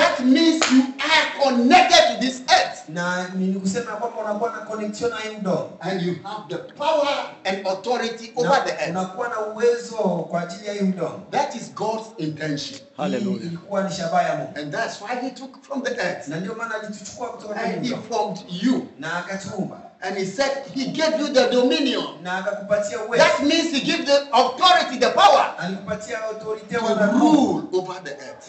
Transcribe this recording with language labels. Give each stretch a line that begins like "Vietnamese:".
English: That means you are connected to this earth.
Swahili: Na nini kusema kwamba unakuwa na connection na hiyo udongo.
English: And you have the power and authority over the earth.
Swahili: Unakuwa na uwezo kwa ajili ya hiyo udongo.
English: That is God's intention. Hallelujah.
Swahili: Ilikuwa ni shabaha ya Mungu.
English: And that's why he took from the earth.
Swahili: Na ndio maana alituchukua kutoka kwa hiyo udongo.
English: He formed you.
Swahili: Na akatuumba.
English: And he said he gave you the dominion.
Swahili: Na akakupatia uwezo.
English: That means he gave the authority, the power.
Swahili: Alikupatia authority
English: to rule over the earth.